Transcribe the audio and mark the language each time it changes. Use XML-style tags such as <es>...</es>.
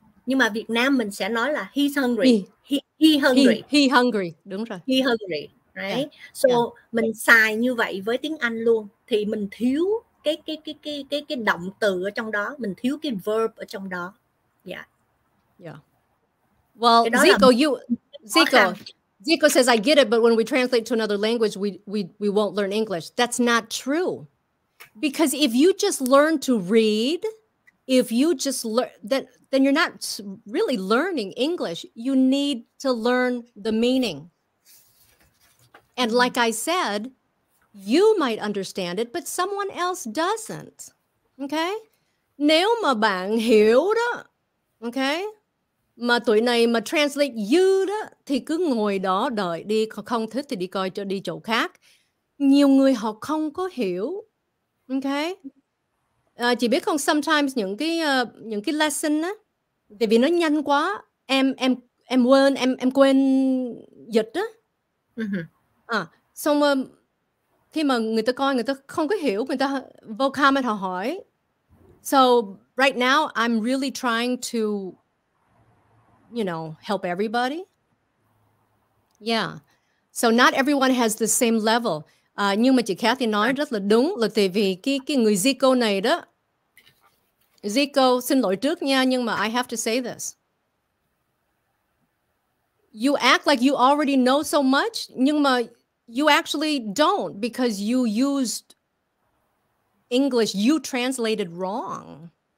<vi>Nhưng mà Việt Nam mình sẽ nói là</vi> <en>he's hungry. He hungry.</en> <vi>Đúng rồi.</vi> <en>He hungry. Right? Yeah.</en> <vi>So mình xài như vậy với tiếng Anh luôn. Thì mình thiếu cái động từ ở trong đó. Mình thiếu cái verb ở trong đó.</vi> <en>Yeah. Yeah. Well, Zico, là... Zico says, I get it, but when we translate to another language, we won't learn English. That's not true. Because if you just learn to read, if you just learn, then you're not really learning English. You need to learn the meaning. And like I said, you might understand it, but someone else doesn't.</en> <vi>Okay? Nếu mà bạn hiểu đó, okay? Mà tụi này mà</vi> <en>translate you</en> <vi>đó, thì cứ ngồi đó đợi đi, không thích thì đi coi cho đi chỗ khác. Nhiều người họ không có hiểu. Okay? Chị biết không, sometimes những cái lesson á, tại vì nó nhanh quá, em quên dịch á. Xong khi mà người ta coi, người ta không có hiểu, người ta vô comment họ hỏi.</vi> <en>So right now I'm really trying to, you know, help everybody. Yeah. So not everyone has the same level.</en> <vi>Nhưng mà chị Kathy nói rất là đúng, là tại vì cái người Zico này đó, Zico, xin lỗi trước nha, nhưng mà</vi> <en>I have to say this. You act like you already know so much,</en> <vi>nhưng mà</vi> <en>you actually don't, because you used English, you translated wrong.</en>